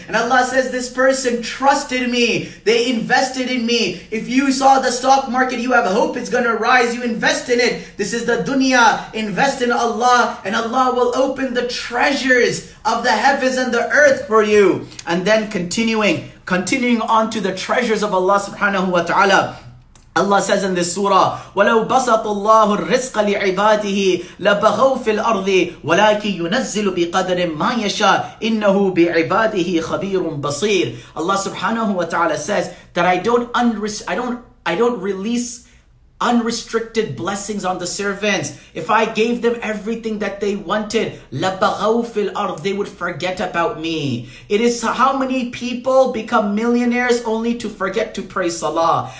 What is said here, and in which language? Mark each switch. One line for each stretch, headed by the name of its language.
English: And Allah says, this person trusted me. They invested in me. If you saw the stock market, you have hope it's going to rise. You invest in it. This is the dunya. Invest in Allah and Allah will open the treasures of the heavens and the earth for you. And then continuing on to the treasures of Allah subhanahu wa ta'ala. Allah says in this surah,
Arabic: وَلَوْ بَسَطُ اللَّهُ الرِّزْقَ لِعِبَادِهِ لَبَغَوْ فِي الْأَرْضِ وَلَكِ يُنَزِّلُ بِقَدْرٍ مَا يَشَى إِنَّهُ بِعِبَادِهِ خَبِيرٌ بَصِيرٌ.
English: Allah subhanahu wa ta'ala says that I don't release unrestricted blessings on the servants. If I gave them everything that they wanted,
Arabic: لَبَغَوْ فِي الْأَرْضِ,
English: they would forget about me. It is how many people become millionaires only to forget to pray salah.